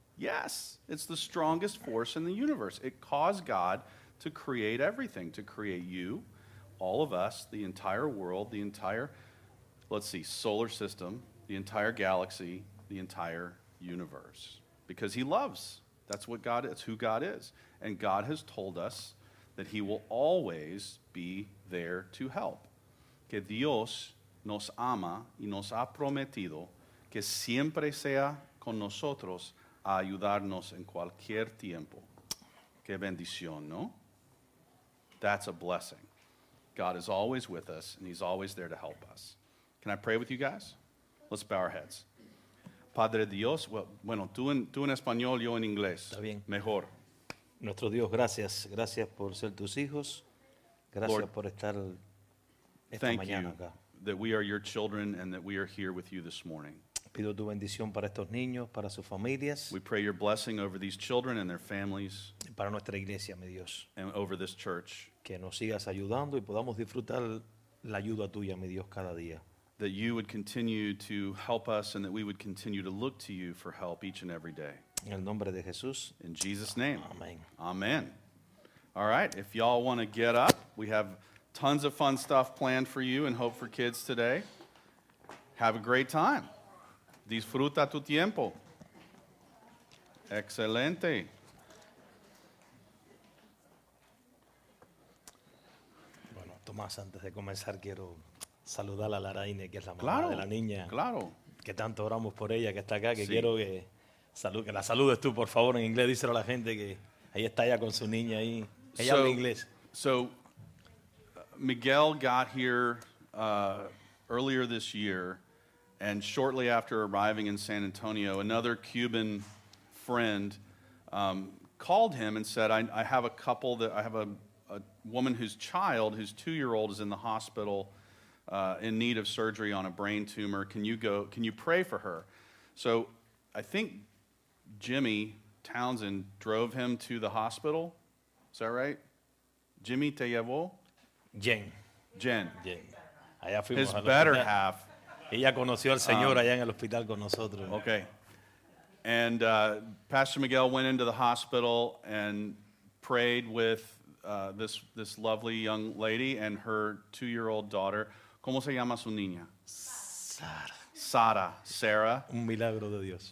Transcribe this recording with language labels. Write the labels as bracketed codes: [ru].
[en] Yes, it's the strongest force in the universe. It caused God to create everything, to create you, all of us, the entire world, the entire, let's see, solar system, the entire galaxy, the entire universe. Because he loves. That's what God is. That's who God is. And God has told us that he will always be there to help. [es] Que Dios nos ama y nos ha prometido que siempre sea con nosotros a ayudarnos en cualquier tiempo. Qué bendición, ¿no? [en] That's a blessing. God is always with us, and he's always there to help us. Can I pray with you guys? Let's bow our heads. [es] Padre Dios, bueno, tú en español, yo en inglés. Está bien. Mejor. Nuestro Dios, gracias. Gracias por ser tus hijos. Gracias, Lord, por estar esta [en] thank [es] mañana [en] you [es] acá. [en] That we are your children and that we are here with you this morning. [es] Pido tu bendición para estos niños, para sus familias. [en] We pray your blessing over these children and their families. [es] Para nuestra iglesia, mi Dios. [en] And over this church. [es] Que nos sigas ayudando y podamos disfrutar la ayuda tuya, mi Dios, cada día. [en] That you would continue to help us and that we would continue to look to you for help each and every day. [es] En el nombre de Jesús. [en] In Jesus' name. [es] Amén. [en] Amén. All right, if y'all want to get up, we have tons of fun stuff planned for you and Hope for Kids today. Have a great time. [es] Disfruta tu tiempo. Excelente. Bueno, Tomás, antes de comenzar, quiero saludar a Laraine, que es la madre de la niña. Claro. Que tanto oramos por ella, que está acá, que quiero que, que la saludes tú, por favor, en inglés. Díselo a la gente que ahí está ella con su niña ahí. Ella habla inglés. [en] So, Miguel got here earlier this year, and shortly after arriving in San Antonio, another Cuban friend called him and said, I have a couple that I have a woman whose child, whose 2-year-old, is in the hospital in need of surgery on a brain tumor. Can you pray for her? So I think Jimmy Townsend drove him to the hospital. Is that right? [es] Jimmy te llevó? Jen. Allá fuimos [en] his better half. [es] Ella conoció al Señor allá en el hospital con nosotros. [en] Okay. And Pastor Miguel went into the hospital and prayed with this lovely young lady and her 2-year-old daughter. [es] ¿Cómo se llama su niña? Sara. Un milagro de Dios.